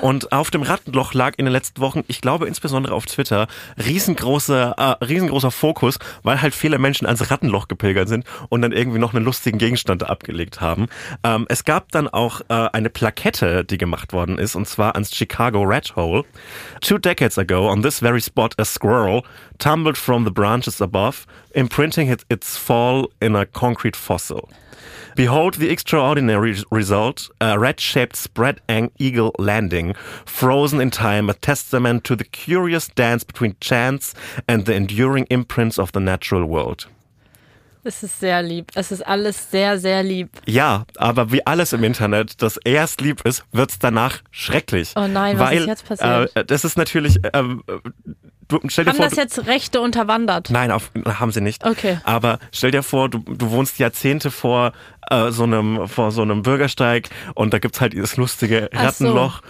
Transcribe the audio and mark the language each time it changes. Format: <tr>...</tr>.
<de>Und auf dem Rattenloch lag in den letzten Wochen, ich glaube insbesondere auf Twitter, riesengroßer Fokus, weil halt viele Menschen ans Rattenloch gepilgert sind und dann irgendwie noch einen lustigen Gegenstand da abgelegt haben. Es gab dann auch eine Plakette, die gemacht worden ist, und zwar ans Chicago Rat Hole.</de> <en>2 decades ago, on this very spot, a squirrel tumbled from the branches above, imprinting its fall in a concrete fossil. Behold the extraordinary result, a rat-shaped spread eagle landing, frozen in time, a testament to the curious dance between chance and the enduring imprints of the natural world.</en> <de>Es ist sehr lieb. Es ist alles sehr, sehr lieb. Ja, aber wie alles im Internet, das erst lieb ist, wird es danach schrecklich. Oh nein, weil, was ist jetzt passiert? Das ist natürlich... Haben das jetzt Rechte unterwandert? Nein, haben sie nicht. Okay. Aber stell dir vor, du wohnst Jahrzehnte vor so einem Bürgersteig und da gibt es halt dieses lustige Rattenloch.</de>